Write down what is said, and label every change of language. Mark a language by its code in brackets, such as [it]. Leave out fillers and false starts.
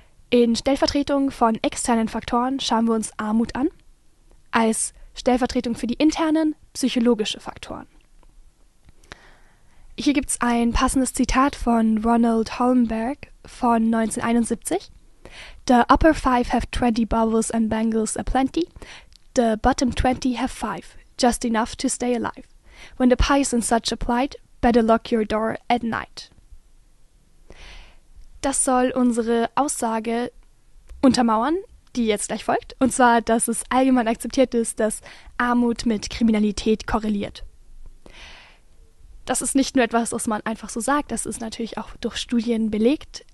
[de] In Stellvertretung von externen Faktoren schauen wir uns Armut an, als Stellvertretung für die internen psychologische Faktoren. Hier gibt es ein passendes Zitat von Ronald Holmberg von 1971. [en] The upper five have 20 baubles and bangles aplenty. The bottom 20 have five, just enough to stay alive. When the pie is in such a plight, better lock your door at night. [de] Das soll unsere Aussage untermauern, die jetzt gleich folgt. Und zwar, dass es allgemein akzeptiert ist, dass Armut mit Kriminalität korreliert. Das ist nicht nur etwas, was man einfach so sagt, das ist natürlich auch durch Studien belegt.